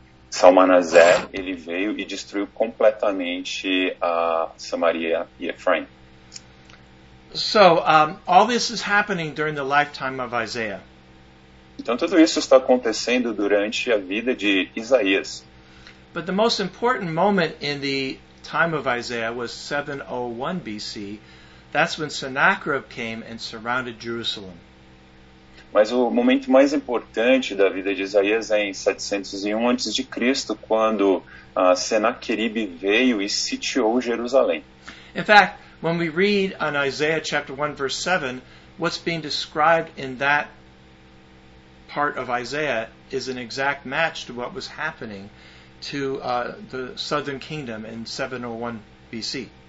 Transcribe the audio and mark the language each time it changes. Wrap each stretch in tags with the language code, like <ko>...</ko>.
<pt>Salmanazar, ele veio e destruiu completamente a Samaria e Efraim.</pt> <en>So, all this is happening during the lifetime of Isaiah.</en> <pt>Então tudo isso está acontecendo durante a vida de Isaías.</pt> <en>But the most important moment in the time of Isaiah was 701 BC. That's when Sennacherib came and surrounded Jerusalem.</en> <pt>Mas o momento mais importante da vida de Isaías é em 701 a.C., quando Senaquerib veio e sitiou Jerusalém.</pt> <en>In fact, when we read on Isaiah chapter 1 verse 7, what's being described in that part of Isaiah is an exact match to what was happening to the southern kingdom in 701 BC.</en>